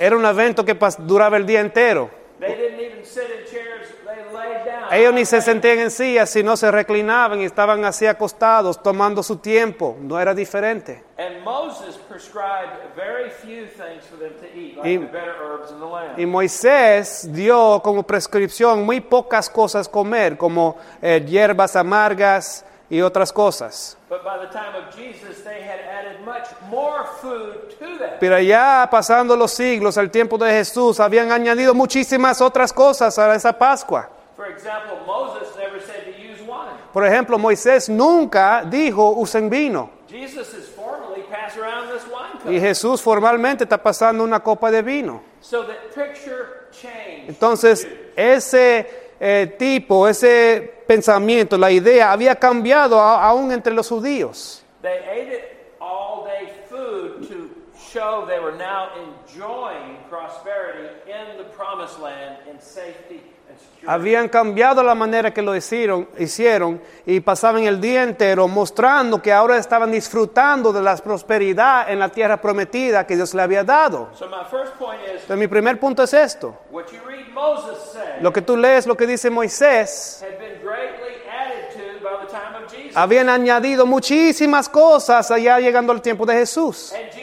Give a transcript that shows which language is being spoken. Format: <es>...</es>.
<es>Era un evento que duraba el día entero.</es> <en>They didn't even sit in chairs, they laid down.</en> <es>Ellos ni se sentían en sillas, sino se reclinaban y estaban así acostados, tomando su tiempo. No era diferente.</es> <en>And Moses prescribed very few things for them to eat, like the better herbs in the land.</en> <es>Y Moisés dio como prescripción muy pocas cosas comer, como hierbas amargas y otras cosas.</es> <en>But by the time of Jesus, they had added much more food to that.</en> <es>Pero ya pasando los siglos, al tiempo de Jesús, habían añadido muchísimas otras cosas a esa Pascua.</es> <en>For example, Moses never said to use wine.</en> <es>Por ejemplo, Moisés nunca dijo usen vino.</es> <en>Jesus is formally passing around this wine cup.</en> <es>Y Jesús formalmente está pasando una copa de vino.</es> <en>So that picture changed.</en> <es>Entonces, ese tipo, ese pensamiento, la idea había cambiado aún entre los judíos.</es> <en>They ate it all day food to show they were now enjoying prosperity in the promised land in safety.</en> <es>Habían cambiado la manera que lo hicieron y pasaban el día entero mostrando que ahora estaban disfrutando de la prosperidad en la tierra prometida que Dios le había dado. Entonces, mi primer punto es esto.</es> <en>What you read Moses said,</en> <es>lo que tú lees, lo que dice Moisés,</es> <en>had been greatly added to by the time of Jesus.</en> <es>Habían añadido muchísimas cosas allá llegando al tiempo de Jesús.</es>